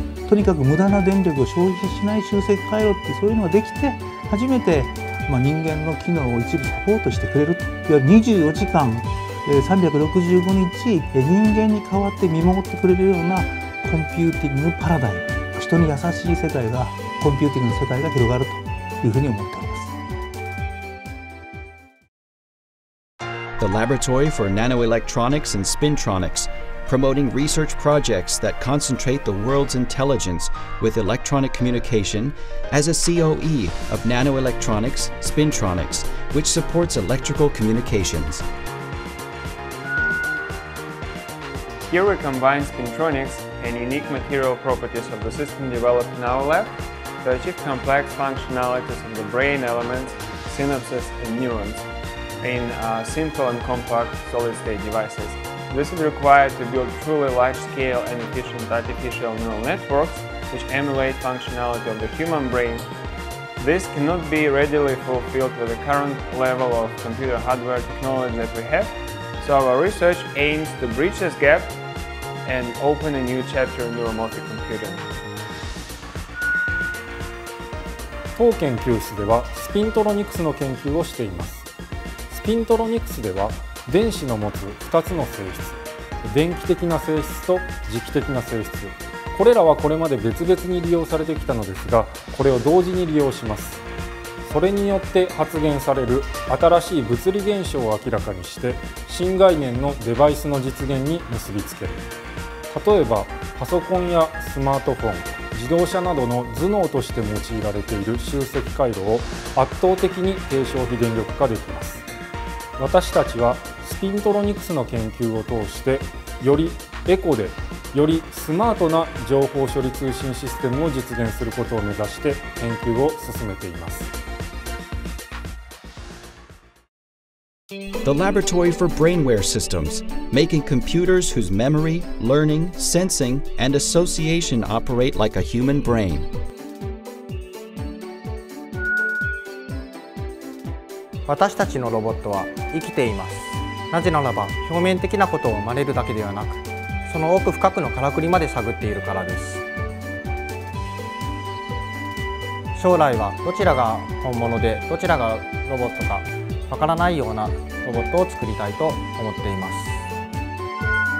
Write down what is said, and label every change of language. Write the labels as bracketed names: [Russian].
[Japanese] とにかく無駄な電力を消費しない集積回路って、そういうのができて初めて人間の機能を一部サポートしてくれると、いわゆる24時間365日人間に代わって見守ってくれるようなコンピューティングパラダイム、人に優しい世界が、コンピューティングの世界が広がるというふうに思っております。 [English] The Laboratory for Nanoelectronics and Spintronics, promoting research projects that concentrate the world's intelligence with electronic communication, as a COE of Nanoelectronics Spintronics, which supports electrical communications. Here we combine spintronics and unique material properties of the system developed in our lab to achieve complex functionalities of the brain elements, synapses and neurons in simple and compact solid-state devices. This is required to build truly large-scale and efficient artificial neural networks which emulate functionality of the human brain. This cannot be readily fulfilled with the current level of computer hardware technology that we have, so our research aims to bridge this gap and open a new chapter in neuromorphic computing. [Japanese] 当研究室ではスピントロニクスの研究をしています。スピントロニクスでは電子の持つ2つの性質、電気的な性質と磁気的な性質、これらはこれまで別々に利用されてきたのですが、これを同時に利用します。それによって発現される新しい物理現象を明らかにして、新概念のデバイスの実現に結びつける。例えばパソコンやスマートフォン、自動車などの頭脳として用いられている集積回路を圧倒的に低消費電力化できます。私たちはスピントロニクスの研究を通して、よりエコで、よりスマートな情報処理通信システムを実現することを目指して研究を進めています。 [English] The Laboratory for Brainware Systems, making computers whose memory, learning, sensing, and association operate like a human brain. [Japanese] 私たちのロボットは生きています。なぜならば表面的なことを真似るだけではなく、その奥深くのからくりまで探っているからです。将来はどちらが本物でどちらがロボットかわからないようなロボットを作りたいと思っています。